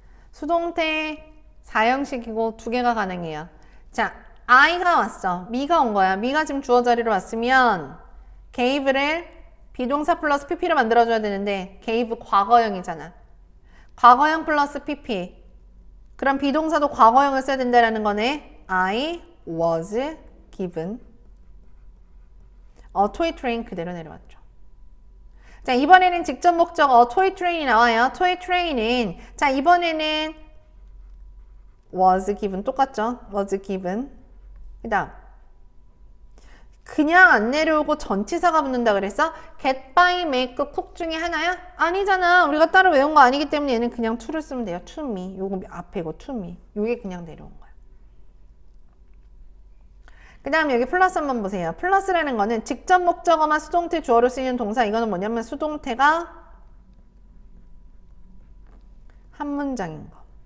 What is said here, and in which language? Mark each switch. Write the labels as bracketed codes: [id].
[ko] 수동태 사형식이고 두 개가 가능해요. 자, I가 왔어. me가 온 거야. me가 지금 주어 자리로 왔으면 gave를 비동사 플러스 pp로 만들어줘야 되는데 gave 과거형이잖아. 과거형 플러스 pp. 그럼 비동사도 과거형을 써야 된다라는 거네. [en] I was given a toy train [ko] 그대로 내려왔죠. 자, 이번에는 직접 목적어 toy train이 나와요. toy train은 자, 이번에는 was given 똑같죠. was given 그 다음 그냥 안 내려오고 전치사가 붙는다 그랬어? [en] get by make cook [ko] 중에 하나야? 아니잖아. 우리가 따로 외운 거 아니기 때문에 얘는 그냥 to를 쓰면 돼요. to me 요거 앞에고 to me 요게 그냥 내려온 거야. 그 다음 여기 플러스 한번 보세요. 플러스라는 거는 직접 목적어만 수동태 주어로 쓰이는 동사. 이거는 뭐냐면 수동태가 한 문장인 거.